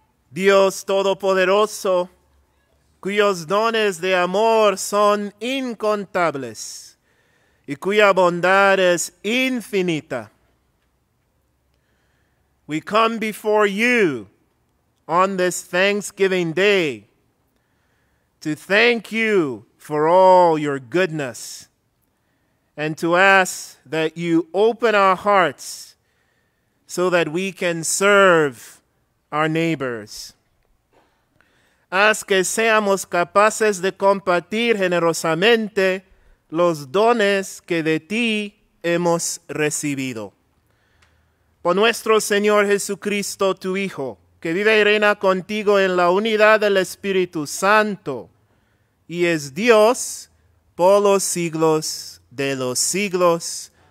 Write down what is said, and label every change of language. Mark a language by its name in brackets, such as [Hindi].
[Spanish] Dios Todopoderoso, cuyos dones de amor son incontables y cuya bondad es infinita. [English] We come before you on this Thanksgiving Day to thank you for all your goodness and to ask that you open our hearts so that we can serve our neighbors. [Spanish] Haz que seamos capaces de compartir generosamente los dones que de ti hemos recibido. Por nuestro Señor Jesucristo, tu Hijo, que vive y reina contigo en la unidad del Espíritu Santo y es Dios por los siglos de los siglos.